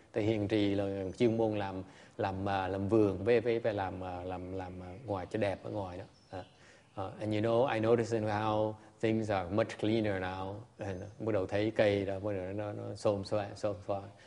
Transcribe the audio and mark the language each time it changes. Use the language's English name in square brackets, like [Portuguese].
[Vietnamese] Thầy Hiền Trì là chuyên môn làm vườn với làm ngoài cho đẹp ở ngoài đó. [English] And you know I notice how things are much cleaner now. [Vietnamese] And bắt đầu thấy cây đó bắt đầu nó xôm xoay xôm xoa.